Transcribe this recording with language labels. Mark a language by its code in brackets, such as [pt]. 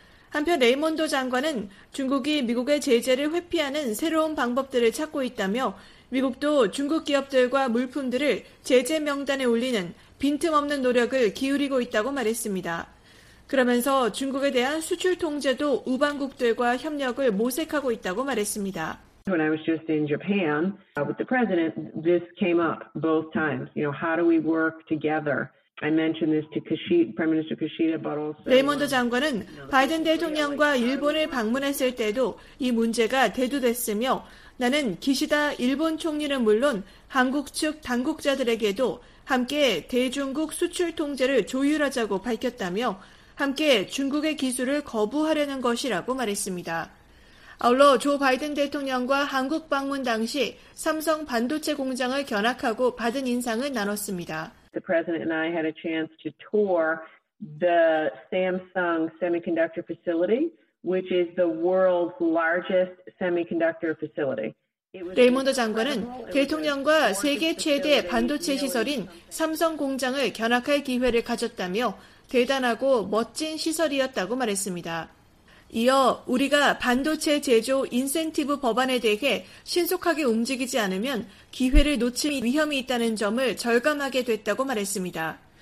[ko] 한편 레이몬도 장관은 중국이 미국의 제재를 회피하는 새로운 방법들을 찾고 있다며 미국도 중국 기업들과 물품들을 제재 명단에 올리는 빈틈없는 노력을 기울이고 있다고 말했습니다. 그러면서 중국에 대한 수출 통제도 우방국들과 협력을 모색하고 있다고 말했습니다. [en] When I was just in Japan with the president, this came up both times. You know, how do we work together? I mentioned this to Prime Minister Kishida, but also [ko] 레이몬드 장관은 바이든 대통령과 일본을 방문했을 때도 이 문제가 대두됐으며 나는 기시다 일본 총리는 물론 한국 측 당국자들에게도 함께 대중국 수출 통제를 조율하자고 밝혔다며 함께 중국의 기술을 거부하려는 것이라고 말했습니다. 아울러 조 바이든 대통령과 한국 방문 당시 삼성 반도체 공장을 견학하고 받은 인상을 나눴습니다. [en] The president and I had a chance to tour the Samsung semiconductor facility, which is the world's largest semiconductor facility. [ko] 레이몬드 장관은 대통령과 세계 최대 반도체 시설인 삼성 공장을 견학할 기회를 가졌다며 대단하고 멋진 시설이었다고 말했습니다. 이어 우리가 반도체 제조 인센티브 법안에 대해 신속하게 움직이지 않으면 기회를 놓칠 위험이 있다는 점을 절감하게 됐다고 말했습니다.